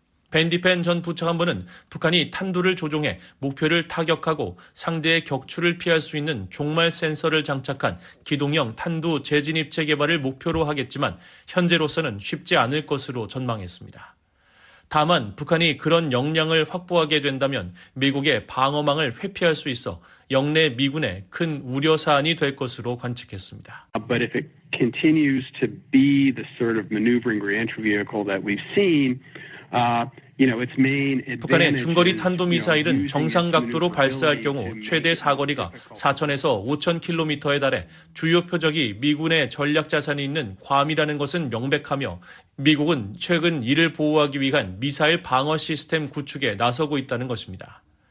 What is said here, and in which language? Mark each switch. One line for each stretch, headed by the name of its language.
Korean: 벤디펜 전 부차관보는 북한이 탄두를 조종해 목표를 타격하고 상대의 격추를 피할 수 있는 종말 센서를 장착한 기동형 탄두 재진입체 개발을 목표로 하겠지만 현재로서는 쉽지 않을 것으로 전망했습니다. 다만 북한이 그런 역량을 확보하게 된다면 미국의 방어망을 회피할 수 있어 영내 미군의 큰 우려 사안이 될 것으로 관측했습니다.
English: But if it continues to be the sort of maneuvering reentry vehicle that we've seen,
Korean: 북한의 중거리 탄도미사일은 정상 각도로 발사할 경우 최대 사거리가 4천에서 5천km에 달해 주요 표적이 미군의 전략자산이 있는 괌이라는 것은 명백하며 미국은 최근 이를 보호하기 위한 미사일 방어 시스템 구축에 나서고 있다는 것입니다.